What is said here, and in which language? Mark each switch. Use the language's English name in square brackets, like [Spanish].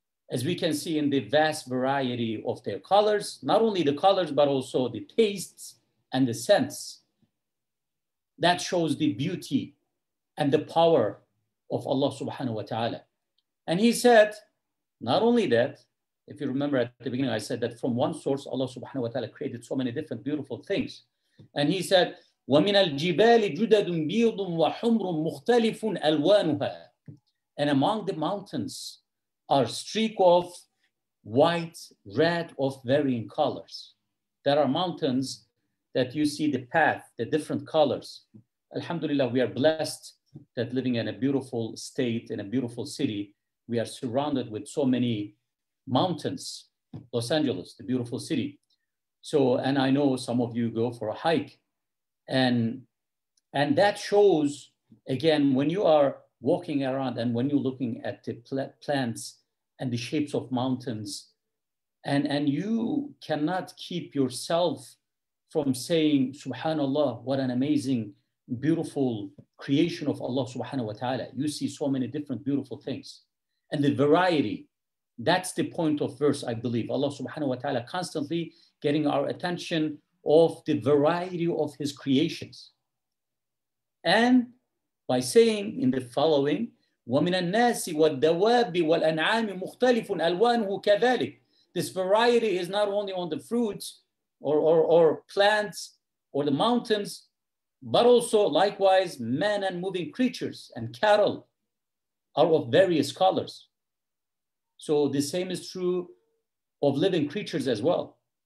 [English] As we can see in the vast variety of their colors, not only the colors, but also the tastes and the scents. That shows the beauty and the power of Allah subhanahu wa ta'ala. And he said, not only that, if you remember at the beginning, I said that from one source, Allah subhanahu wa ta'ala created so many different beautiful things. And he said, [Arabic] وَمِنَ الْجِبَالِ جُدَدٌ بِيضٌ وَحُمْرٌ مُخْتَلِفٌ أَلْوَانُهَا. [English] And among the mountains are streak of white, red, of varying colors. There are mountains that you see the path, the different colors. Alhamdulillah, we are blessed that living in a beautiful state, in a beautiful city, we are surrounded with so many mountains. Los Angeles, the beautiful city. So, and I know some of you go for a hike. And that shows, again, when you are walking around and when you're looking at the plants and the shapes of mountains, and you cannot keep yourself from saying, Subhanallah, what an amazing, beautiful creation of Allah subhanahu wa ta'ala. You see so many different beautiful things. And the variety, that's the point of verse, I believe. Allah subhanahu wa ta'ala constantly getting our attention of the variety of his creations. And by saying in the following, [Arabic] وَمِنَ النَّاسِ وَالدَّوَابِ وَالْأَنْعَامِ مُخْتَلِفٌ أَلْوَانُهُ كَذَلِكَ. [English] This variety is not only on the fruits or plants or the mountains, but also likewise men and moving creatures and cattle are of various colors. So the same is true of living creatures as well.